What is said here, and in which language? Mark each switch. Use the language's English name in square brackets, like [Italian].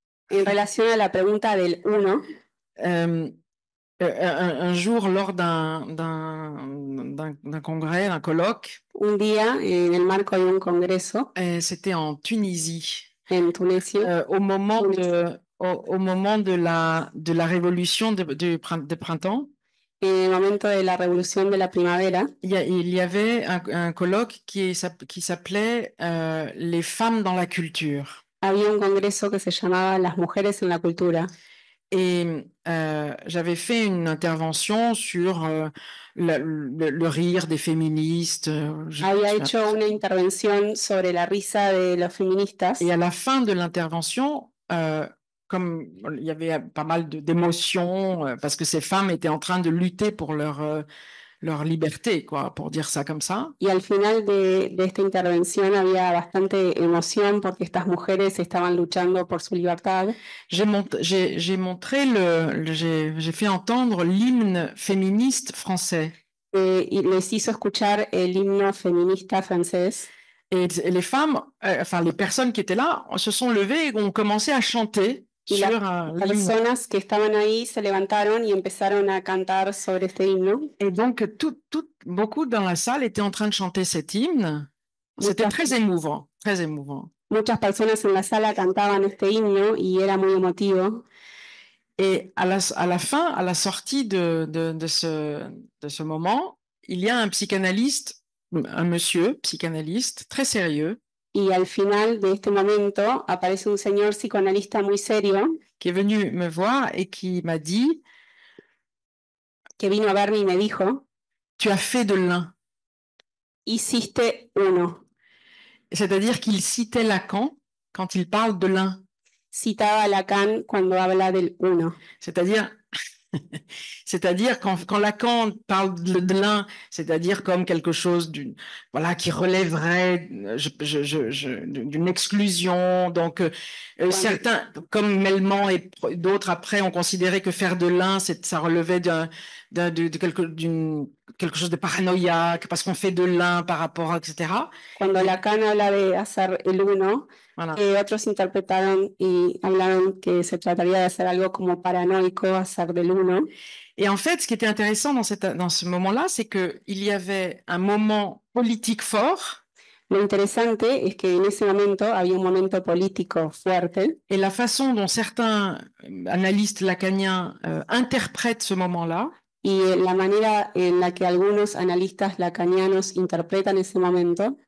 [Spanish] En relación a la pregunta del uno. [French] Un jour, lors d'un congrès, d'un colloque. [Spanish] Un día, en el marco de un congreso. [French] C'était en Tunisie. En Tunisie. Au moment de la révolution de printemps. [Spanish] En el momento de la revolución de la primavera. [French] Il y avait un colloque qui s'appelait Les femmes dans la culture. [Spanish] Había un congreso que se llamaba Las mujeres en la cultura. [French] Et j'avais fait une intervention sur le rire des féministes. [Spanish] Había hecho una intervención sobre la risa de los feministas. [French] Et à la fin de l'intervention, comme il y avait pas mal d'émotions, parce que ces femmes étaient en train de lutter pour leur liberté, quoi, pour dire ça comme ça. [Spanish] Y al final de esta intervención había bastante emoción porque estas mujeres estaban luchando por su libertad. [French] J'ai fait entendre l'hymne féministe français. [Spanish] Y les hizo escuchar el himno feminista francés. [French] Et les femmes, enfin les personnes qui étaient là, se sont levées et ont commencé à chanter. [Spanish] Las personas que estaban ahí se levantaron y empezaron a cantar sobre este himno. [French] Et donc tout beaucoup dans la salle étaient en train de chanter cet hymne. C'était très émouvant, très émouvant. [Spanish] Muchas personas en la sala cantaban este himno y era muy emotivo. [French] Et à la fin, à la sortie de ce moment, il y a un psychanalyste, un monsieur psychanalyste très sérieux. [Spanish] Y al final de este momento aparece un señor psicoanalista muy serio [French] qui est venu me voir et qui m'a dit [Spanish] que vino a verme y me dijo [French] tu as fait de l'un. [Spanish] Hiciste uno. [French] C'est-à-dire qu'il citait Lacan quand il parle de l'un. [Spanish] Citaba Lacan cuando habla del uno. [French] C'est-à-dire c'est-à-dire quand Lacan parle de l'un, c'est-à-dire comme quelque chose d'une, voilà, qui relèverait d'une exclusion. Donc certains, comme Melman et d'autres après, ont considéré que faire de l'un, ça relevait quelque chose de paranoïaque, parce qu'on fait de l'un par rapport à, etc. [Spanish] Quand Lacan habla de hacer el uno, voilà. [French] Et d'autres [Spanish] interprétaron et hablaron que se trataría de hacer algo como paranoico, hacer del uno. [French] Et en fait, ce qui était intéressant dans ce moment-là, c'est qu'il y avait un moment politique fort. [Spanish] Lo interesante es que en ese momento había un momento político fuerte. Et la façon dont certains analystes lacaniens interprètent ce moment-là. Y la manera en la que algunos analistas lacanianos interpretan ese momento.